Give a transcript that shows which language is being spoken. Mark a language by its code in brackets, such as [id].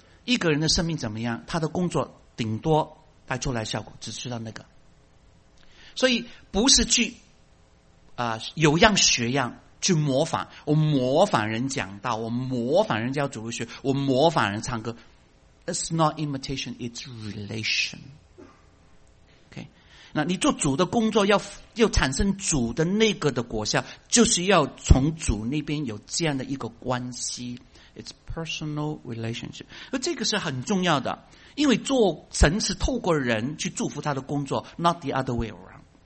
[zh] 一个人的生命怎么样，他的工作顶多带出来效果只知道那个。所以不是去有样学样去模仿，我模仿人讲道，我模仿人教主日学，我模仿人唱歌。 [en] It's not imitation, it's relation。 [zh] 那你做主的工作要产生主的那个的果效，就是要从主那边有这样的一个关系。 [en] It's personal relationship， [zh] 而这个是很重要的，因为做神是透过人去祝福他的工作， [en] not the other way around。